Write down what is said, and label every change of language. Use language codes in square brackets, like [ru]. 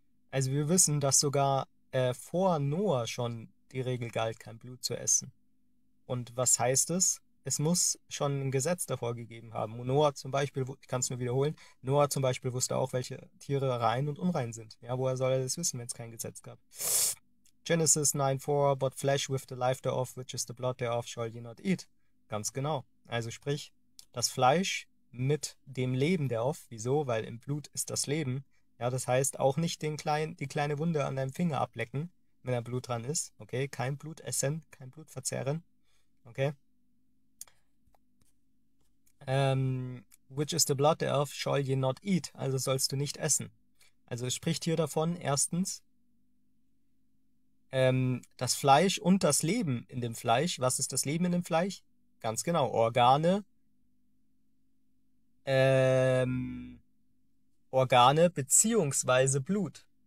[de] Also wir wissen, dass sogar vor Noah schon die Regel galt, kein Blut zu essen. Und was heißt es? Es muss schon ein Gesetz davor gegeben haben. Noah zum Beispiel, ich kann es nur wiederholen, Noah zum Beispiel wusste auch, welche Tiere rein und unrein sind. Ja, woher soll er das wissen, wenn es kein Gesetz gab? [en] Genesis 9:4, but flesh with the life thereof, which is the blood thereof, shall ye not eat. [de] Ganz genau. Also sprich, das Fleisch mit dem Leben thereof. Wieso? Weil im Blut ist das Leben. Ja, das heißt auch nicht die kleine Wunde an deinem Finger ablecken, wenn da Blut dran ist. Okay, kein Blut essen, kein Blut verzehren. Okay. [en] Which is the blood the earth shall ye not eat? [de] Also sollst du nicht essen. Also es spricht hier davon, erstens, das Fleisch und das Leben in dem Fleisch. Was ist das Leben in dem Fleisch? Ganz genau, Organe. Organe beziehungsweise Blut.